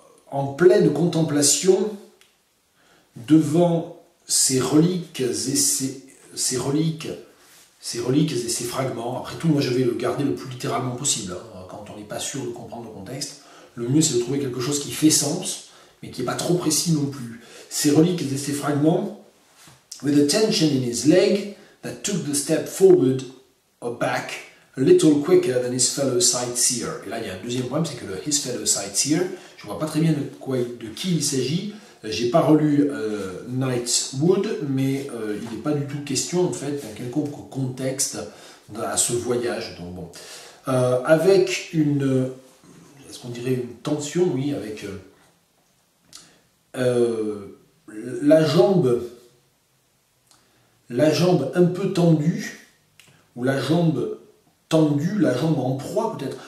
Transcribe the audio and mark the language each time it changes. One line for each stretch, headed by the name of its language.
French: En pleine contemplation devant ces reliques et ces fragments. Après tout, moi je vais le garder le plus littéralement possible. Quand on n'est pas sûr de comprendre le contexte, le mieux c'est de trouver quelque chose qui fait sens, mais qui n'est pas trop précis non plus. Ces reliques et ces fragments,
English: with a tension in his leg that took the step forward or back a little quicker than his fellow sightseer.
French: Et là, il y a un deuxième problème, c'est que le
English: his fellow sightseer,
French: je ne vois pas très bien de qui il s'agit. Je n'ai pas relu Knightswood, mais il n'est pas du tout question, en fait, d'un quelconque contexte à ce voyage. Donc, bon. Avec une, est-ce qu'on dirait une tension, oui, avec la jambe un peu tendue, ou la jambe tendu, la jambe en proie peut-être.